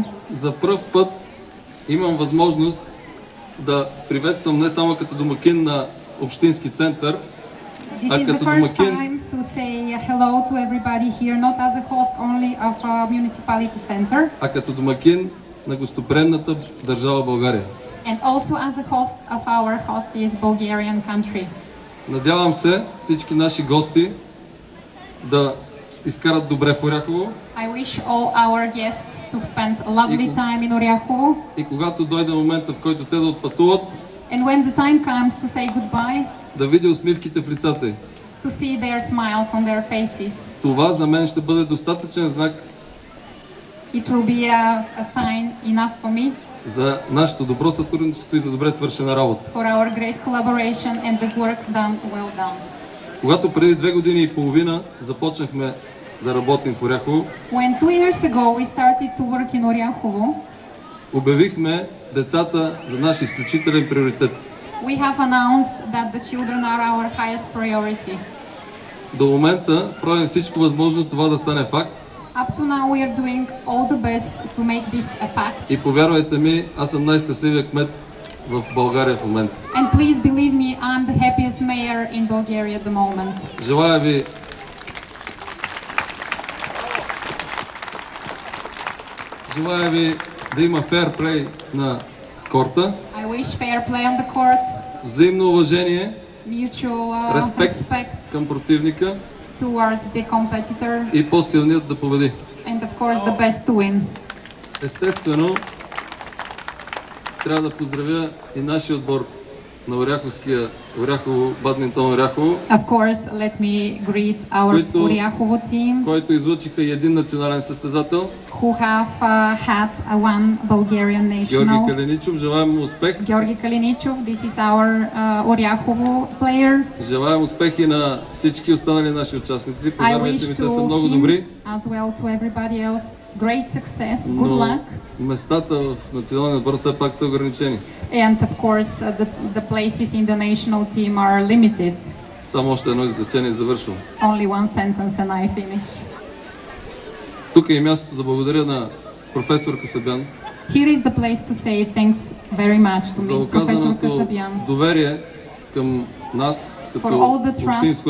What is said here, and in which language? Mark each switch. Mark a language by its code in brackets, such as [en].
[bg] За пръв път имам възможност да приветствам не само като домакин на общински център, This а като домакин. [en] This is the first time to say hello to everybody here, not as a host only of a municipality center. [bg] А като домакин на гостоприемната държава България. [en] And also as a host of our host is Bulgarian country. [bg] Надявам се всички наши гости да изкарат добре в Оряхово. [en] I wish all our guests to spend a lovely time in Оряхово. [bg] И когато дойде момента, в който те да отпътуват, [en] and when the time comes to say goodbye, [bg] да видя усмивките в лицата. [en] To see their smiles on their faces. [bg] Това за мен ще бъде достатъчен знак. [en] It will be a sign enough for me. [bg] За нашето добро сътрудничество и за добре свършена работа. [en] For our great collaboration and the work done well done. [bg] Когато преди 2.5 години започнахме да работим в Оряхово, [en] When 2 years ago we started to work in Оряхово, [bg] обявихме децата за наш изключителен приоритет. [en] We have announced that the children are our highest priority. [bg] До момента правим всичко възможно това да стане факт. [en] Up to now we are doing all the best to make this a fact. [bg] И повярвайте ми, аз съм най-щастливия кмет в България в момента. [en] And please believe me, I'm the happiest mayor in Bulgaria at the moment. [bg] Желая ви да има fair play на корта. [en] I wish fair play on the court. [bg] Взаимно уважение. [en] Mutual [bg] respect към противника. [en] towards the competitor. [bg] И по-силният да победи. [en] And of course the best to win. [bg] Естествено, трябва да поздравя и нашия отбор на Оряховския Оряхово бадминтон Оряхово. [en] Of course, let me greet our Оряхово team. [bg] Който излъчиха и един национален състезател. [en] Who have had a one Bulgarian national. [bg] Георги Калиничов, желаем му успех. [en] Георги Калиничов, this is our Оряхово player. [bg] Желаем успехи на всички останали наши участници. Повярвайте ми, те са много добри. [en] As well to everybody else. Great success, good luck. [bg] Местата в националния отбор все пак са ограничени. [en] And of course the places in the national team are limited. [bg] Само още едно изречение завършвам. [en] Only one sentence and I finish. [bg] Тук е мястото да благодаря на професор Касабян. [en] Here is the place to say thanks very much to me, professor Касабян. [bg] За оказаното доверие към нас като общинско